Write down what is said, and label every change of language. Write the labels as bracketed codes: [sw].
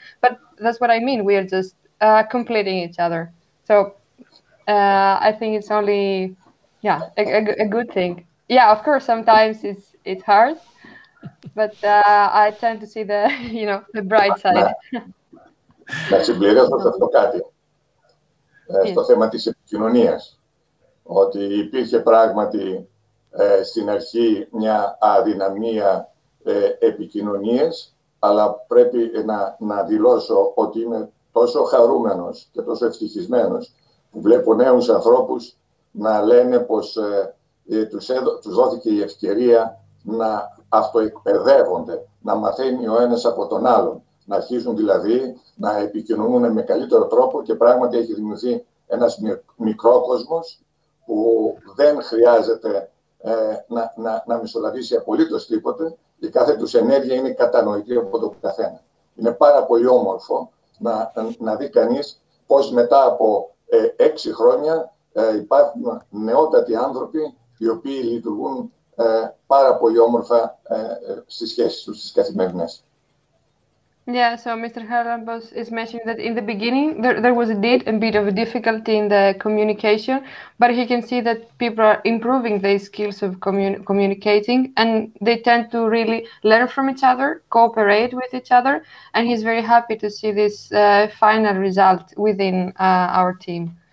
[en] But that's what I mean. We are just completing each other. So I think it's only, yeah, a good thing. Yeah, of course, sometimes it's hard, but I tend to see the, you know, the bright side. [el] Να συμπληρώσω σε αυτό κάτι, στο θέμα της επικοινωνίας, ότι υπήρχε πράγματι στην αρχή μια αδυναμία επικοινωνίας, αλλά πρέπει να δηλώσω ότι είμαι τόσο χαρούμενος και τόσο ευτυχισμένος που βλέπω νέους ανθρώπους να λένε πως τους δόθηκε η ευκαιρία να αυτοεκπαιδεύονται, να μαθαίνει ο ένας από τον άλλον, να αρχίσουν δηλαδή να επικοινωνούν με καλύτερο τρόπο, και πράγματι έχει δημιουργηθεί ένας μικρό κόσμος που δεν χρειάζεται να μεσολαβήσει απολύτως τίποτε, η κάθε τους ενέργεια είναι κατανοητή από τον καθένα. Είναι πάρα πολύ όμορφο να δει κανείς πως μετά από 6 χρόνια υπάρχουν νεότατοι άνθρωποι οι οποίοι λειτουργούν πάρα πολύ όμορφα στις σχέσεις τους, στις καθημερινές. [en] Yeah, so Mr. Charalampos is mentioning that in the beginning there was indeed a bit of a difficulty in the communication, but he can see that people are improving their skills of communicating, and they tend to really learn from each other, cooperate with each other, and he's very happy to see this final result within our team.